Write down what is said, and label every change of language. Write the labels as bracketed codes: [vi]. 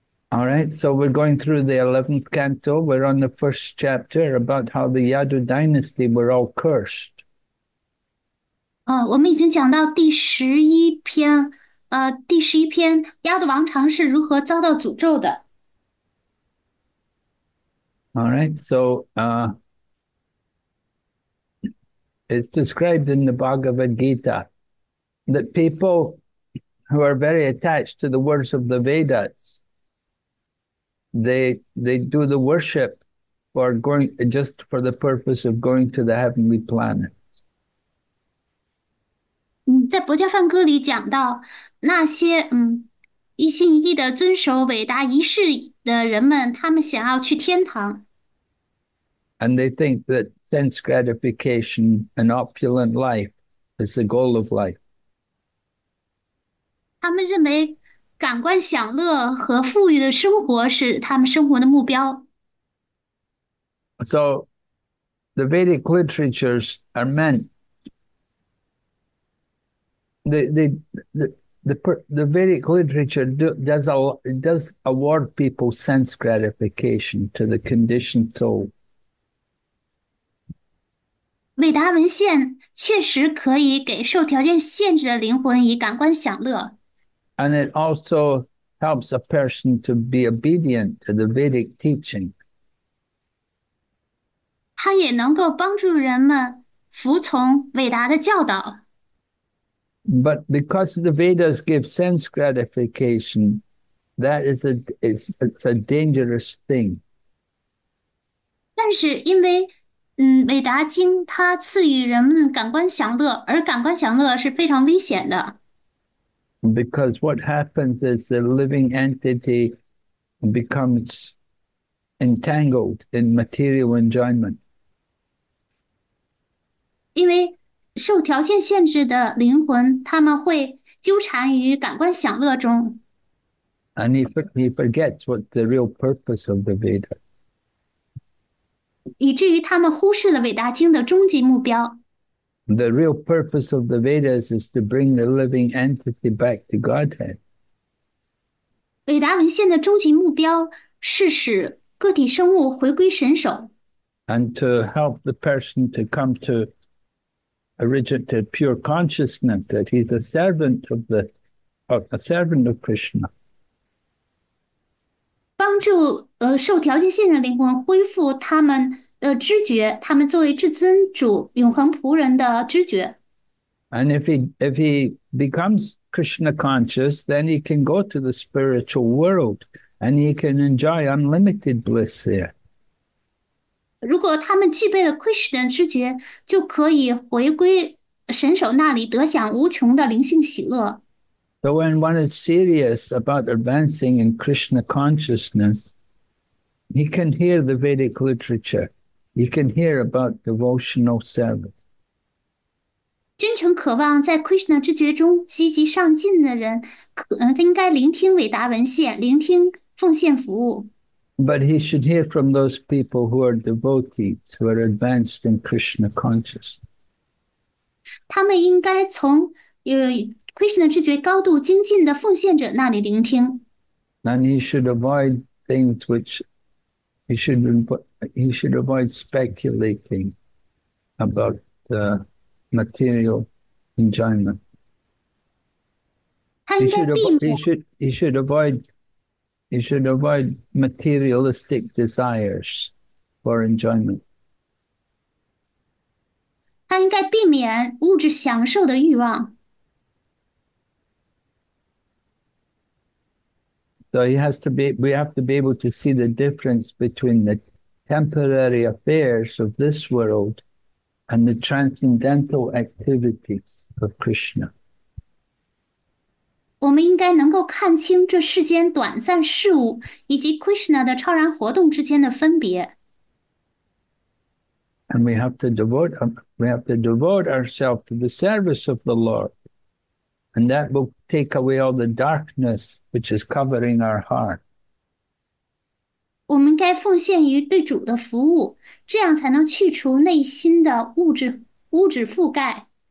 [en] All right, so we're going through the 11th canto. We're on the first chapter about how the Yadu dynasty were all cursed. [zh] 我们已经讲到第十一篇，第十一篇，亚德王朝是如何遭到诅咒的？ [en] All right, so it's described in the Bhagavad Gita that people who are very attached to the words of the Vedas, they do the worship for going just for the purpose of going to the heavenly planet. [zh] 在《佛教梵歌》里讲到，那些一心一意的遵守伟大仪式的人们，他们想要去天堂。 [en] And they think that sense gratification and opulent life is the goal of life. [zh] 他们认为感官享乐和富裕的生活是他们生活的目标。 [en] So, the Vedic literatures are meant, the Vedic literature does award people sense gratification to the conditioned soul. [zh] 伟达文献确实可以给受条件限制的灵魂以感官享乐。 [en] And it also helps a person to be obedient to the Vedic teaching. [zh] 它也能够帮助人们服从伟达的教导。 [en] But because the Vedas give sense gratification, that is a it's, it's a dangerous thing. [zh] 但是因为伟达经它赐予人们感官享乐，而感官享乐是非常危险的。 [en] Because what happens is the living entity becomes entangled in material enjoyment. [zh] 因为受条件限制的灵魂，他们会纠缠于感官享乐中。 [en] And he forgets what the real purpose of the Veda. [zh] 以至于他们忽视了伟大经的终极目标。 [en] The real purpose of the Vedas is to bring the living entity back to Godhead. [zh] 伟达文献的终极目标是使个体生物回归神首。 [en] And to help the person to come to originate pure consciousness that he's a servant of a servant of Krishna. [zh] 帮助受条件限制的灵魂恢复他们的知觉，他们作为至尊主永恒仆人的知觉。 [en] And if he becomes Krishna conscious, then he can go to the spiritual world and he can enjoy unlimited bliss there. [zh] 如果他们具备了 Krishna 知觉，就可以回归神首那里，得享无穷的灵性喜乐。 [en] So when one is serious about advancing in Krishna consciousness, he can hear the Vedic literature. He can hear about devotional service. [zh] 真诚渴望在 Krishna 之觉中积极上进的人，应该聆听伟达文献，聆听奉献服务。 [en] But he should hear from those people who are devotees, who are advanced in Krishna consciousness. [zh] 他们应该从Krishna 之觉高度精进的奉献者那里聆听。 [en] And he should avoid things which he should avoid speculating about the material enjoyment. [zh] 应该避免。 [en] He should avoid. You should avoid materialistic desires for enjoyment. [zh] 他应该避免物质享受的欲望。 [en] So he has to be, we have to be able to see the difference between the temporary affairs of this world and the transcendental activities of Krishna. [zh] 我们应该能够看清这世间短暂事物以及 Krishna 的超然活动之间的分别。 [en] And we have to devote ourselves to the service of the Lord, and that will take away all the darkness which is covering our heart. [zh] 我们该奉献于对主的服务，这样才能去除内心的物质覆盖。